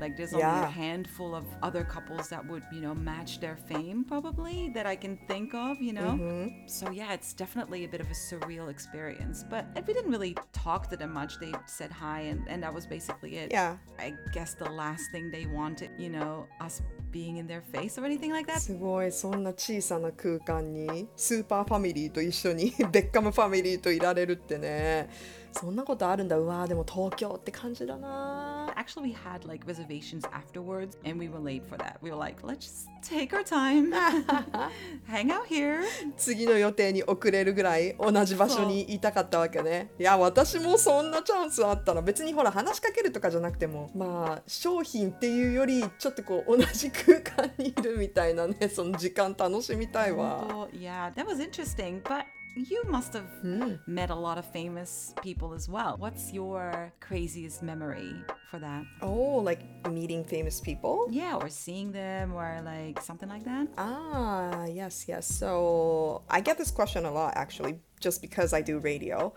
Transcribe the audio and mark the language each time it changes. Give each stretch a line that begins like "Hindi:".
English: Like there's only a handful of other couples that would, you know, match their fame probably that I can think of, you know? Mm-hmm. So yeah, it's definitely a bit of a surreal experience. But we didn't really talk to them much. They said hi and that was basically it. Yeah. I guess the last thing they wanted... You know, us being in their face or anything like that.
Japanese: すごい、そんな小さな空間にスーパーファミリーと一緒にベッカムファミリーといられるってね。そんなことあるんだ。うわ、でも東京って感じだな。
English: Actually, we had like reservations afterwards and we were late for that. We were like, let's just take our time. Hang out here.
Japanese: 次の予定に遅れるぐらい同じ場所にいたかったわけね。いや、私もそんなチャンスあったら別にほら話しかけるとかじゃなくても、まあ商品っていうよりちょっとこう同じ空間にいるみたいなね、その時間楽しみたいわ。
English: Yeah, that was interesting, but... You must have met a lot of famous people as well. What's your craziest memory for that? Oh, like meeting famous people? Yeah, or seeing them or like something like that. Ah, yes, yes. So I get this question a lot, actually, just because I do radio.